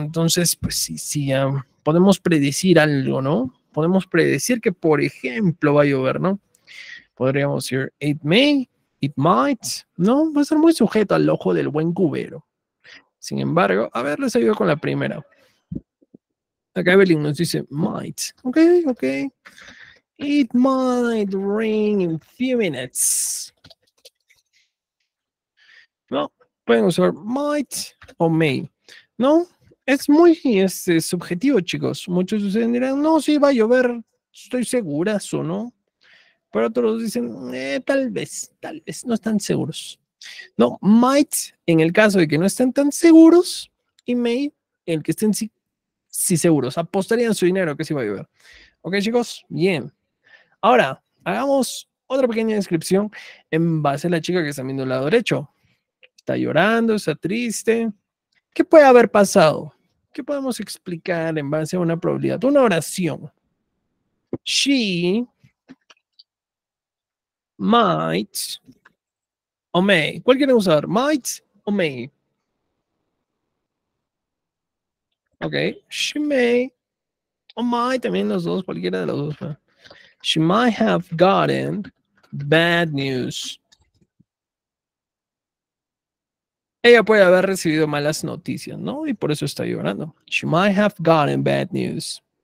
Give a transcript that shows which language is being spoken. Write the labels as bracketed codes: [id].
[es] Entonces, pues sí, sí, ya podemos predecir algo, ¿no? Podemos predecir que, por ejemplo, va a llover, ¿no? Podríamos decir, [en] it may, it might, [es] ¿no? Va a ser muy sujeto al ojo del buen cubero. Sin embargo, a ver, les ayudo con la primera. Acá Evelyn nos dice, might, ok, ok. [en] It might rain in few minutes. [es] No, pueden usar might o may. No, es muy subjetivo, chicos. Muchos de ustedes dirán, no, sí va a llover, estoy segura, ¿o no? Pero otros dicen, tal vez, no están seguros. No, might, en el caso de que no estén tan seguros, y may, en el que estén sí seguros. Apostarían su dinero que sí va a llover. Ok, chicos, bien. Ahora, hagamos otra pequeña descripción en base a la chica que está viendo el lado derecho. Está llorando, está triste. ¿Qué puede haber pasado? ¿Qué podemos explicar en base a una probabilidad? Una oración. She might o may. ¿Cuál quieren usar? Might o may. Ok. She may o might. También los dos, cualquiera de los dos. [en] She might have gotten bad news. [es] Ella puede haber recibido malas noticias, ¿no? Y por eso está llorando. [en] She might have gotten bad news.